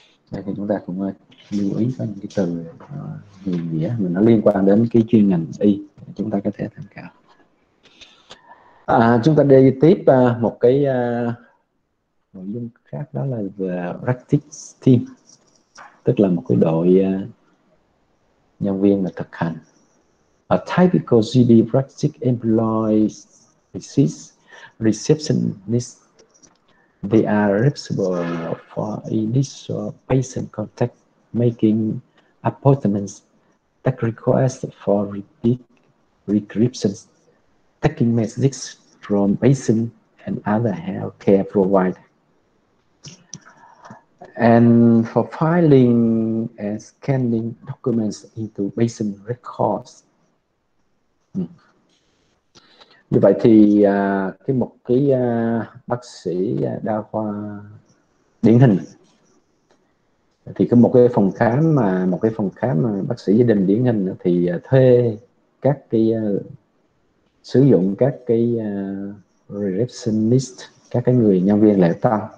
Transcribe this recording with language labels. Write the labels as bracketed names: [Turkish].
[Vietnamese] Đây thì chúng ta cũng lưu ý có những cái từ nhiều nghĩa mà nó liên quan đến cái chuyên ngành y chúng ta có thể tham khảo. Chúng ta đi tiếp một cái nội dung khác, đó là về practice team, tức là một cái đội nhân viên là thực hành. [English] A typical GP practice employees, receptionist, they are responsible for initial patient contact, making appointments, take requests for repeat prescriptions, taking messages from patients and other healthcare providers, and for filing and scanning documents into patient records. [Vietnamese] Như vậy thì cái một cái bác sĩ đa khoa điển hình thì có một cái phòng khám, mà một cái phòng khám mà bác sĩ gia đình điển hình thì thuê các cái sử dụng các cái receptionist, các cái người nhân viên lễ tân.